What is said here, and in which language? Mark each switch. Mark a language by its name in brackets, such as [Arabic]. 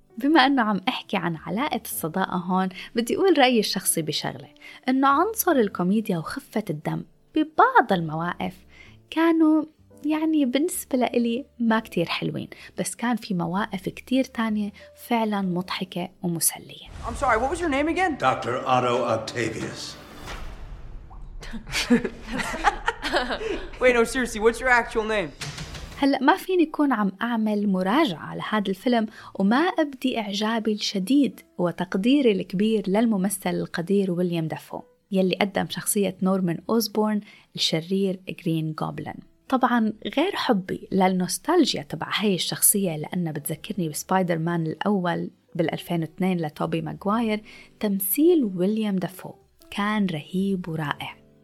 [Arabic] بما أنه عم أحكي عن علاقة الصداقة هون، بدي أقول رأيي الشخصي بشغلة، أنه عنصر الكوميديا وخفة الدم ببعض المواقف كانوا يعني بالنسبة لي ما كتير حلوين، بس كان في مواقف كتير تانية فعلا مضحكة ومسلية. [English] I'm sorry, what was your name again? Dr. Otto Octavius. Wait, no, seriously, what's your actual name? [Arabic] هلأ ما فيني يكون عم أعمل مراجعة على هذا الفيلم وما أبدي إعجابي الشديد وتقديري الكبير للممثل القدير ويليام دافو يلي قدم شخصية نورمان أوزبورن الشرير جرين غوبلن. طبعاً غير حبي للنوستالجيا تبع هاي الشخصية لأنها بتذكرني بسبايدر مان الأول بال2002 لتوبي ماجواير، تمثيل ويليام دافو كان رهيب ورائع.